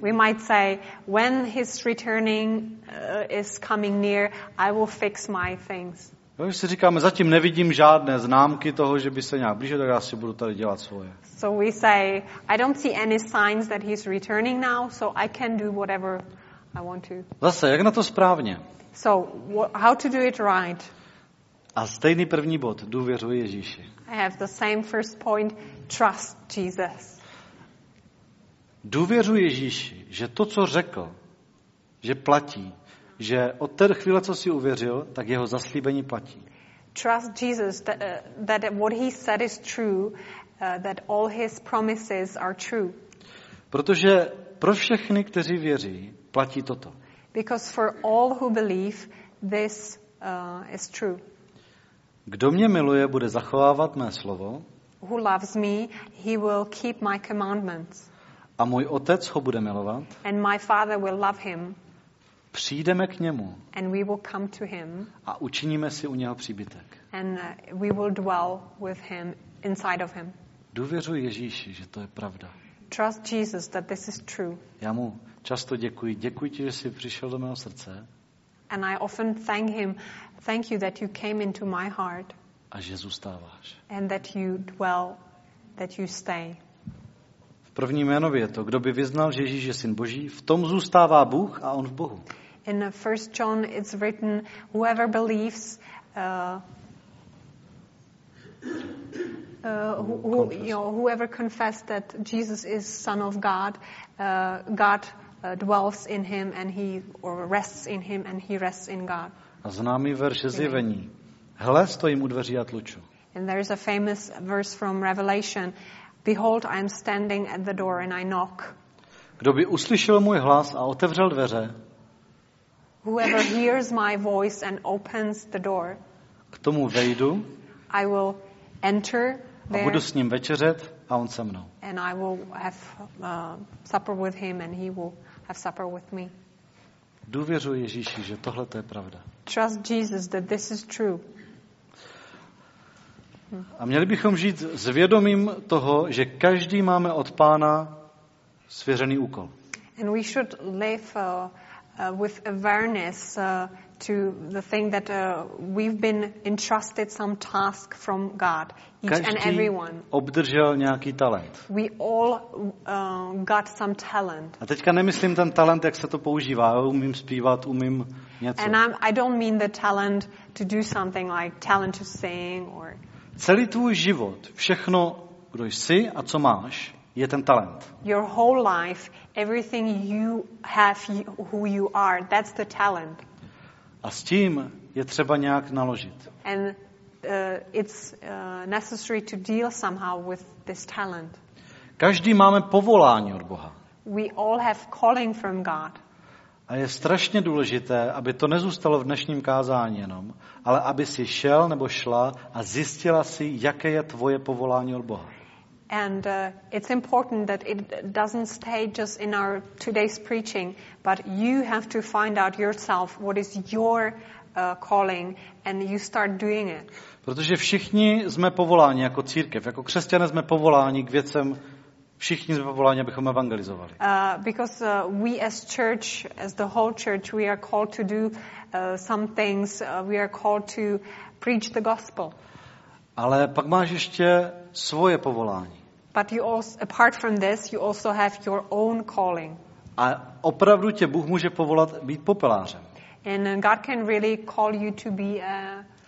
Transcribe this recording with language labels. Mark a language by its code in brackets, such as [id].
[en] We might say, when his returning is coming near, I will fix my things. [cs] Jo, si říkáme, zatím nevidím žádné známky toho, že by se nějak blížil, tak já si budu tady dělat svoje. [en] So we say, I don't see any signs that he's returning now, so I can do whatever I want to. [cs] Zase, jak na to správně? [en] So, how to do it right? [cs] A stejný první bod, důvěřuji Ježíši. [en] I have the same first point, trust Jesus. [cs] Důvěřuji Ježíši, že to, co řekl, že platí, že od té chvíle, co si uvěřil, tak jeho zaslíbení platí. [en] Trust Jesus that what he said is true, that all his promises are true. [cs] Protože pro všechny, kteří věří, platí toto. [en] Because for all who believe, this is true. [cs] Kdo mě miluje, bude zachovávat mé slovo. [en] Who loves me, he will keep my commandments. [cs] A můj otec ho bude milovat. [en] And my father will love him. [cs] Přijdeme k němu. [en] And we will come to him. [cs] A učiníme si u něho příbytek. [en] And we will dwell with him inside of him. [cs] Důvěřuji Ježíši, že to je pravda. [en] Trust Jesus that this is true. [cs] Já mu často děkuji. Děkuji ti, že jsi přišel do mého srdce. [en] And I often thank him. Thank you that you came into my heart. [cs] A že zůstáváš. [en] And that you dwell, that you stay. [cs] V prvním Janově je to, kdo by vyznal, že Ježíš je syn Boží, v tom zůstává Bůh a on v Bohu. [en] In 1 John it's written, whoever believes whoever confessed that Jesus is Son of God, God dwells in him and he or rests in him and he rests in God. [cs] A známý verš ze Zjevení. Hle, stojím u dveří a tluču. [en] And there is a famous verse from Revelation. Behold, I am standing at the door and I knock. [cs] Kdo by uslyšel můj hlas a otevřel dveře? [en] Whoever hears my voice and opens the door. [cs] K tomu vejdu. [en] I will enter there. [cs] A budu s ním večeřet a on se mnou. [en] And I will have supper with him and he will have supper with me. [cs] Důvěřuji Ježíši, že tohle to je pravda. [en] Trust Jesus that this is true. [cs] A měli bychom žít s vědomím toho, že každý máme od Pána svěřený úkol. [en] And we should live with awareness to the thing that we've been entrusted some task from God, each [cs] každý [en] and everyone. [cs] Obdržel nějaký talent. [en] We all got some talent. [cs] A teďka nemyslím ten talent, jak se to používá. Umím zpívat, umím něco. [en] And I don't mean the talent to do something like talent to sing or. [cs] Celý tvůj život, všechno, kdo jsi a co máš, je ten talent. [en] Your whole life, everything you have, who you are, that's the talent. [cs] A s tím je třeba nějak naložit. [en] And it's necessary to deal somehow with this talent. [cs] Každý máme povolání od Boha. [en] We all have calling from God. [cs] A je strašně důležité, aby to nezůstalo v dnešním kázání jenom, ale aby si šel nebo šla a zjistila si, jaké je tvoje povolání od Boha. [en] And it's important that it doesn't stay just in our today's preaching, but you have to find out yourself what is your calling and you start doing it. [cs] Protože všichni jsme povoláni jako církev, jako křesťané jsme povoláni k věcem. Všichni jsme povoláni, abychom evangelizovali. [en] Because we as church, as the whole church, we are called to do some things. We are called to preach the gospel. [cs] Ale pak máš ještě svoje povolání. [en] But you also, apart from this, you also have your own calling. [cs] A opravdu tě Bůh může povolat být popelářem. [en] And God can really call you to be a